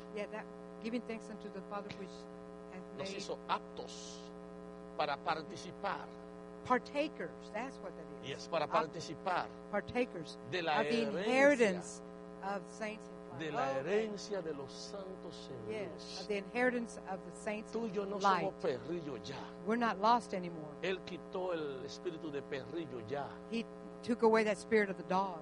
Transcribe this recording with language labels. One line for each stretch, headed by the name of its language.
English: Yeah, that giving thanks unto the Father which.
Spanish: Nos hizo aptos para participar.
English: Partakers, that's what that is. Yes,
Spanish: para participar.
English: Partakers
Spanish: de la
English: of the inheritance of saints.
Spanish: De la herencia de los santos en Dios.
English: Yes, of the inheritance of the saints.
Spanish: Tú y yo no
English: light.
Spanish: Somos perrillo ya.
English: We're not lost anymore.
Spanish: Él quitó el espíritu de perrillo ya.
English: He took away that spirit of the dog.